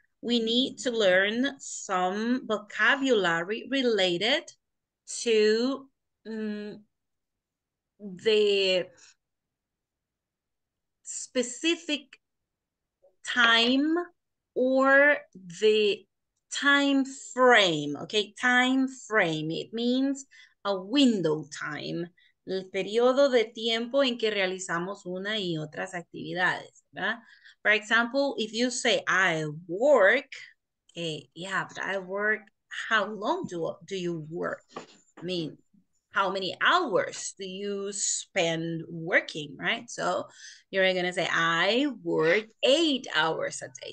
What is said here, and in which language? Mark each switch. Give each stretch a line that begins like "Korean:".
English: We need to learn some vocabulary related to the specific time or the time frame. Okay, time frame. It means a window time,
Spanish: el periodo de tiempo en que realizamos una y otras actividades, ¿verdad?
English: For example, if you say I work, okay, yeah, but I work, how long do you work? I mean, how many hours do you spend working, right? So you're going to say, I work 8 hours a day.